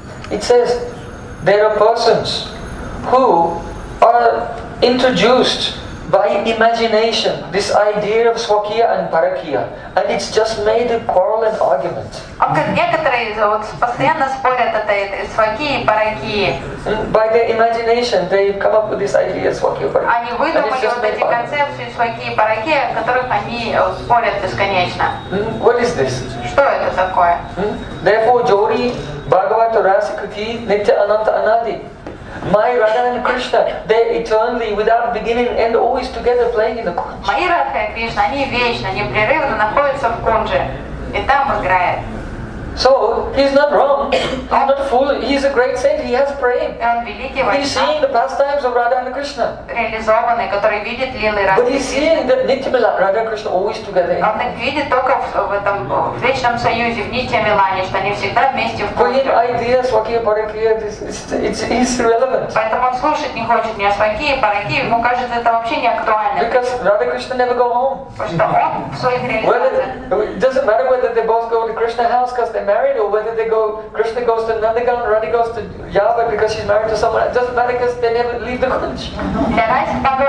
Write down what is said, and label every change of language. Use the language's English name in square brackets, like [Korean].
[English] It says there are persons who are introduced by imagination, this idea of Swakya and Parakya, and it's just made a quarrel and argument. By their imagination, they come up with this idea of Swakya and Parakya. [Russian] Они выдумали вот эти концепции Свакьи и Паракьи, о которых они спорят бесконечно. [English] What is this? [Russian] Что это такое? [English] Therefore, [Hindi] Jori Bhagavata Rasika Ki Nitya Ananta Anadi. [English] My Radha and Krishna, they eternally, without beginning and always together, playing in the kunj. My Radha and Krishna, [Russian] они вечно, непрерывно находятся в кунже и там играют. [English] So he's not wrong. He's not a fool. He's a great saint. He has prem. [Russian] Он великий вайшнав. [English] He's seeing the pastimes of Radha and Krishna. [Russian] Реализованный, который видит лилы [English] Радха. But he's seeing that Nityamila, Radha and Krishna always together. [Russian] Он их видит только в этом вечном союзе, в Нитьямилане, что они всегда вместе в [English] кунже. For his ideas, Свакья Паракья, it's irrelevant. [Russian] Поэтому он слушать не хочет ни о Свакья Паракья, ему кажется, это вообще не актуально. [English] Because Radha Krishna never go home. [Russian] Потому что он в своих реализациях. [English] It doesn't matter whether they both go to Krishna house, they're married, or whether they go, Krishna goes to Nandagan, Radha goes to Yava because she's married to someone, it doesn't matter because they never leave the kunj.